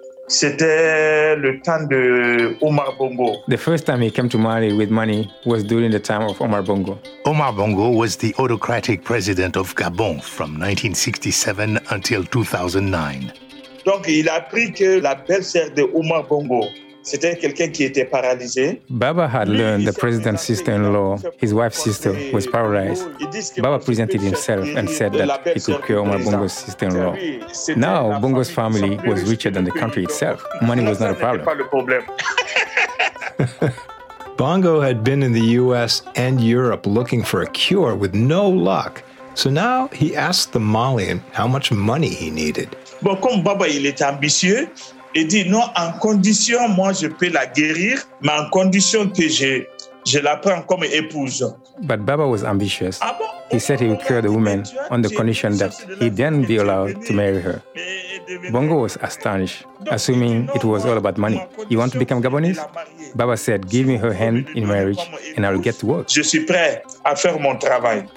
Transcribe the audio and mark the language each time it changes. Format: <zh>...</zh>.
<en>The first time he came to Mali with money was during the time of Omar Bongo. Omar Bongo was the autocratic president of Gabon from 1967 until 2009.</en> <fr>Donc il a appris que la belle-sœur de Omar Bongo, c'était quelqu'un qui était paralysé.</fr> <en>Baba had learned the president's sister-in-law, his wife's sister, was paralyzed. Baba presented himself and said that he could cure Omar Bongo's sister-in-law. Now, Bongo's family was richer than the country itself. Money was not a problem. Bongo had been in the U.S. and Europe looking for a cure with no luck. So now he asked the Malian how much money he needed.</en> <fr>Bon, comme Baba il est ambitieux, il dit non, en condition, moi je peux la guérir, mais en condition que je la prends comme épouse.</fr> <en>But Baba was ambitious.</en> <fr>Ah bon?</fr> <en>He said he would cure the woman on the condition that he then be allowed to marry her. Bongo was astonished, assuming it was all about money. You want to become Gabonese? Baba said, give me her hand in marriage and I'll get to work.</en> <fr>Je suis prêt à faire mon travail.</fr>